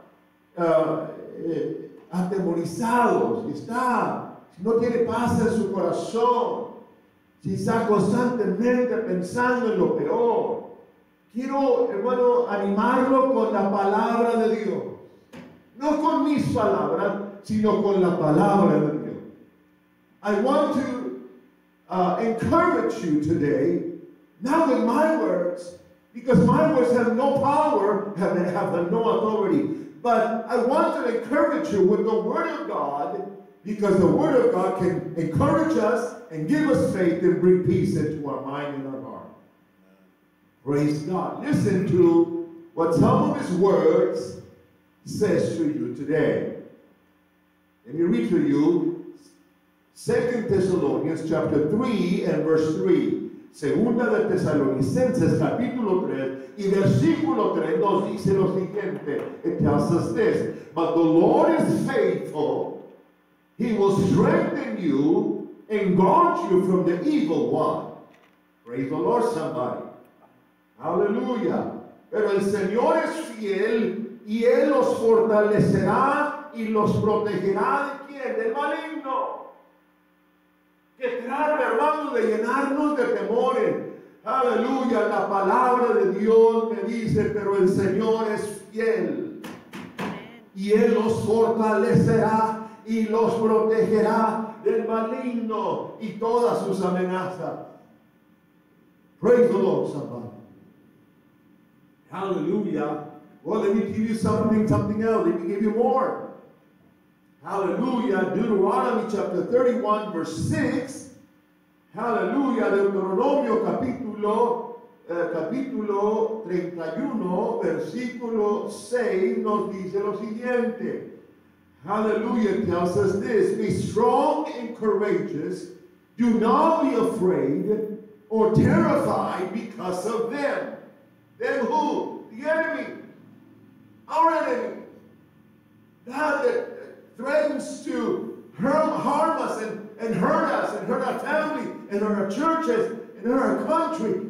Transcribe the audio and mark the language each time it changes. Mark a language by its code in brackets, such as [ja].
[es] Si está atemorizado, si no tiene paz en su corazón, si está constantemente pensando en lo peor, quiero, hermano, animarlo con la palabra de Dios. No con mis palabras, sino con la palabra de Dios. [en] I want to encourage you today, not with my words, because my words have no power, have no authority. But I want to encourage you with the Word of God, because the Word of God can encourage us and give us faith and bring peace into our mind and our heart. Praise God. Listen to what some of His words says to you today. Let me read to you 2 Thessalonians chapter 3 and verse 3. [es] Segunda de Tesalonicenses, capítulo 3, y versículo 3, nos dice lo siguiente. [en] It tells us this: but the Lord is faithful. He will strengthen you and guard you from the evil one. Praise the Lord, somebody. Hallelujah. [es] Pero el Señor es fiel, y Él los fortalecerá y los protegerá. ¿De quién? Del maligno. Que trate, hermano, de llenarnos de temores. Aleluya, la palabra de Dios me dice, pero el Señor es fiel. Y Él los fortalecerá y los protegerá del maligno y todas sus amenazas. [en] Praise the Lord, somebody. Hallelujah. Well, let me give you something else. Let me give you more. Hallelujah. Deuteronomy chapter 31, verse 6. Hallelujah. [es] Deuteronomio capítulo, capítulo 31, versículo 6, nos dice lo siguiente. [en] Hallelujah. Tells us this. Be strong and courageous. Do not be afraid or terrified because of them. Then who? The enemy. Our enemy. That threatens to harm us and hurt us and hurt our family and our churches and our country.